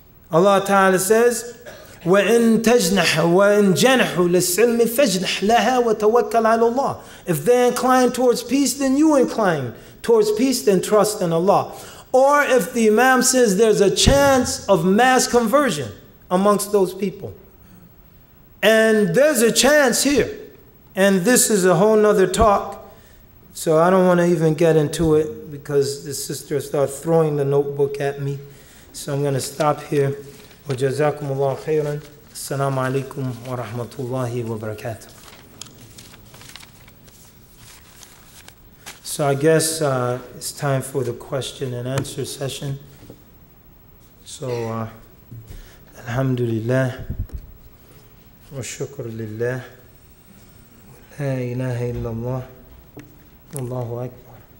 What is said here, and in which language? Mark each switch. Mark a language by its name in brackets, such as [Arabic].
[English] Allah Ta'ala says, [Arabic] وَإِن تَجْنَحُ وَإِن جَنَحُ لِلسِّلْمِ فَجْنَحْ لَهَا وَتَوَكَّلْ عَلَى اللَّهِ. [English] If they incline towards peace, then you incline towards peace, then trust in Allah. Or if the Imam says there's a chance of mass conversion amongst those people. And there's a chance here. And this is a whole nother talk, so I don't want to even get into it because the sister started throwing the notebook at me. So I'm going to stop here. [Arabic] وجزاكم الله خيرا السلام عليكم ورحمة الله وبركاته. [English] So I guess it's time for the question and answer session. [Arabic] So الحمد لله والشكر لله لا إله إلا الله الله أكبر.